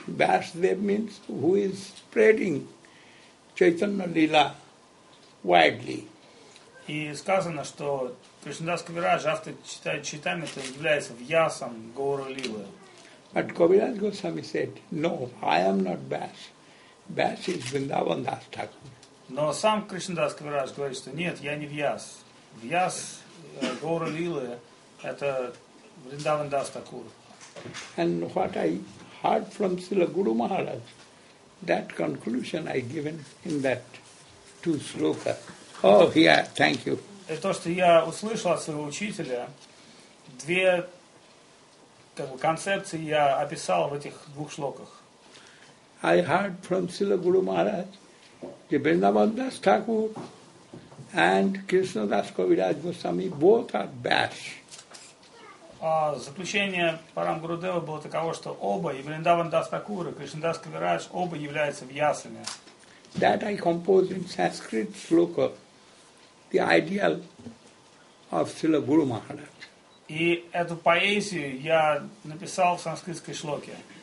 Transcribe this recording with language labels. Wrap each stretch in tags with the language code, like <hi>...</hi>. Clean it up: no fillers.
<en>Vyas there means who is spreading Chaitanya Lila widely.</en> <ru>И сказано, что Кришнадас Кавираж, автор Чайтаньи, это является Вьясом Гоура Лилы.</ru> <en>But Кавираж Госвами said, no, I am not Vyas. Vyas is Vrindavan Das Thakur.</en> <ru>Но сам Кришнадас Кавираж говорит, что нет, я не Вьяс. Вьяс Гоура Лилы это Vrindavan Das Thakur.</ru> <en>And what I heard from Srila Guru Maharaj, that conclusion I given in that two sloka. Oh, yeah, thank you.</en> <ru>Это то, что я услышал от своего учителя. Две как бы, концепции я описал в этих двух шлоках.</ru> <en>I heard from Srila Guru Maharaj, the Vrindavan Das Thakur and Krishna Das Kaviraj Goswami both are Vyas.</en> <ru>Заключение Парам Гурудева было таково, что оба, и Вриндаван Дас Такур, и Кришна Дас Кавираж, оба являются вьясами.</ru> <en>That I composed in Sanskrit sloka. The ideal of Srila Guru Maharaj.</en> <ru>И эту поэзию я написал в санскритской шлоке.</ru>